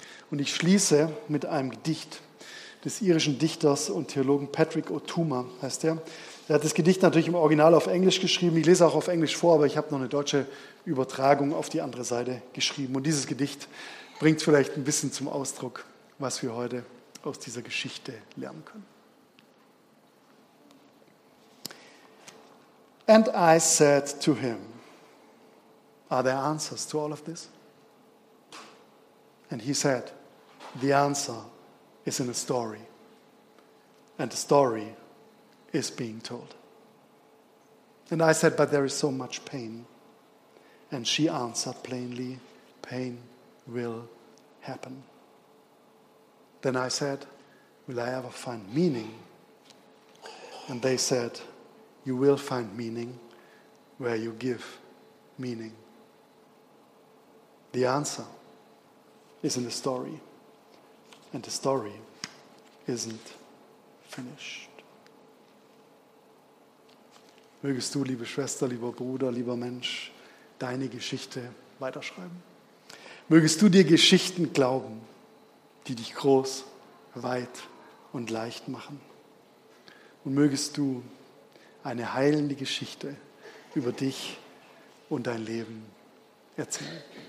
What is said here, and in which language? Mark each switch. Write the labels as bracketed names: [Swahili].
[German] Und ich schließe mit einem Gedicht des irischen Dichters und Theologen Patrick O'Toomer, heißt er. Er hat das Gedicht natürlich im Original auf Englisch geschrieben. Ich lese auch auf Englisch vor, aber ich habe noch eine deutsche Übertragung auf die andere Seite geschrieben. Und dieses Gedicht bringt vielleicht ein bisschen zum Ausdruck, was wir heute aus dieser Geschichte lernen können. [English] And I said to him, are there answers to all of this? And he said, The answer is in a story. And the story is being told. And I said, but there is so much pain. And she answered plainly, pain will happen. Then I said, will I ever find meaning? And they said, you will find meaning where you give meaning. The answer is in the story. And the story isn't finished. [German] Mögest du, liebe Schwester, lieber Bruder, lieber Mensch, deine Geschichte weiterschreiben. Mögest du dir Geschichten glauben, die dich groß, weit und leicht machen. Und mögest du eine heilende Geschichte über dich und dein Leben erzählen.